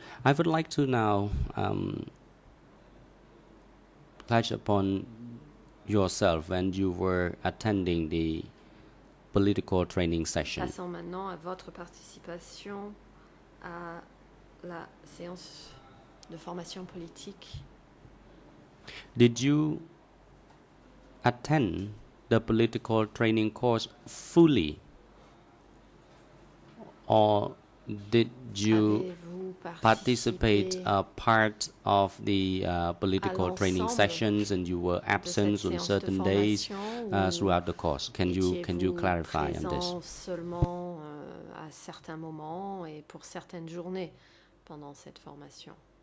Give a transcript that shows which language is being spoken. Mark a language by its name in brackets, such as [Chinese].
[English] I would like to now touch upon yourself when you were attending the political training session. [French] Passons maintenant à votre participation à la séance de formation politique. [English] Did you attend the political training course fully, or did you participate a part of the political training sessions and you were absent on certain days throughout the course? Can you clarify on this? [French] Seulement à certains moments et pour certaines journées pendant cette formation.